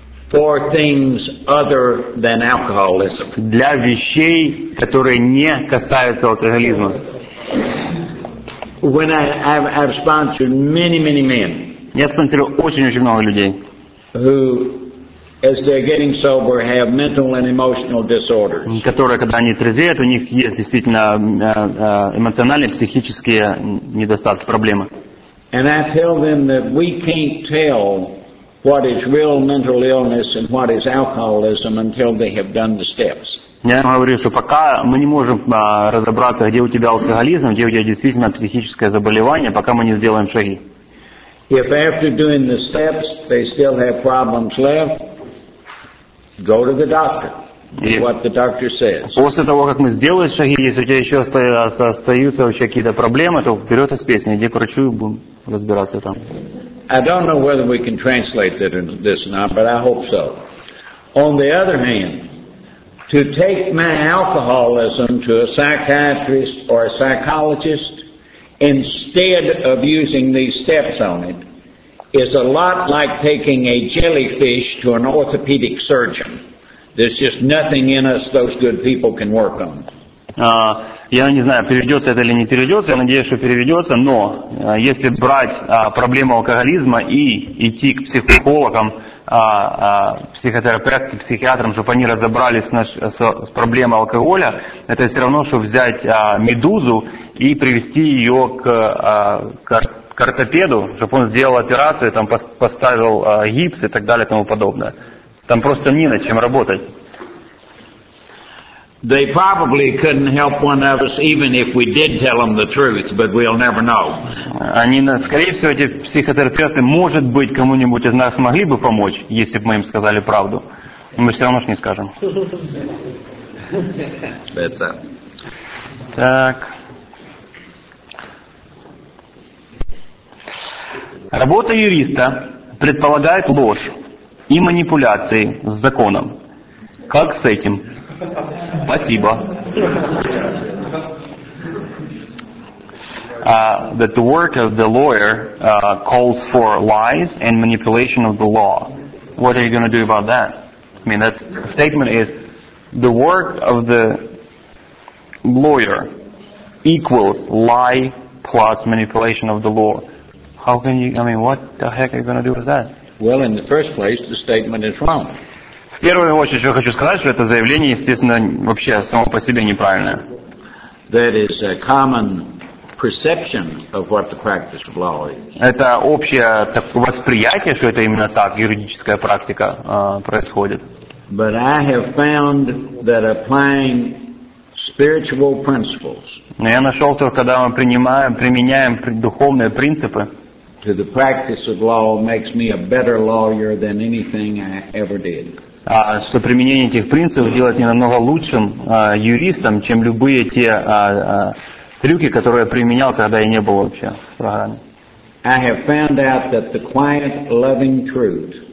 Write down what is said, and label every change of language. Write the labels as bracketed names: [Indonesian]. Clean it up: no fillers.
[English] For things other than alcoholism. [Russian] Для вещей, которые не касаются алкоголизма. [English] When I've sponsored many men. [Russian] Я спонсирую очень-очень много людей. [English] Who, as they're getting sober, have mental and emotional disorders. [Russian] Которые, когда они трезвеют, у них есть действительно эмоциональные, психические недостатки, проблемы. [English] And I tell them that we can't tell what is real mental illness and what is alcoholism until they have done the steps. [Russian] Я говорю, что пока мы не можем разобраться, где у тебя алкоголизм, где у тебя действительно психическое заболевание, пока мы не сделаем шаги. [English] If after doing the steps they still have problems left, go to the doctor. Do what the doctor says. [Russian] После того, как мы сделали шаги, если у тебя еще остаются вообще какие-то проблемы, то вперед из песни, иди к врачу и будем разбираться там. [English] I don't know whether we can translate that into this or not, but I hope so. On the other hand, to take my alcoholism to a psychiatrist or a psychologist instead of using these steps on it is a lot like taking a jellyfish to an orthopedic surgeon. There's just nothing in us those good people can work on. [Russian] Я не знаю, переведется это или не переведется, я надеюсь, что переведется, но если брать проблему алкоголизма и идти к психологам, психотерапевтам, психиатрам, чтобы они разобрались с проблемой алкоголя, это все равно, что взять медузу и привести ее к ортопеду, чтобы он сделал операцию, там поставил гипс и так далее и тому подобное. Там просто не над чем работать. [English] They probably couldn't help one of us, even if we did tell them the truth, but we'll never know. [Russian] Они, скорее всего, эти психотерапевты, может быть, кому-нибудь из нас могли бы помочь, если бы мы им сказали правду. Мы все равно ж не скажем. [English] That's it. [Russian] Так. Работа юриста предполагает ложь и манипуляции с законом. Как с этим? Спасибо. [English] That the work of the lawyer calls for lies and manipulation of the law. What are you going to do about that? I mean, that statement is the work of the lawyer equals lie plus manipulation of the law. How can you, I mean, what the heck are you going to do with that? Well, in the first place, the statement is wrong. [Russian] В первую очередь, что я хочу сказать, что это заявление, естественно, вообще само по себе неправильное. [English] That is a common perception of what the practice of law is. [Russian] Это общее восприятие, что это именно так юридическая практика происходит. [English] But I have found that applying spiritual principles. [Russian] Но я нашел, что когда мы применяем духовные принципы, [English] to the practice of law makes me a better lawyer than anything I ever did. [Russian] Что применение этих принципов делает меня намного лучшим юристом, чем любые те трюки, которые я применял, когда я не был вообще в программе. [English] I have found out that the quiet, loving truth.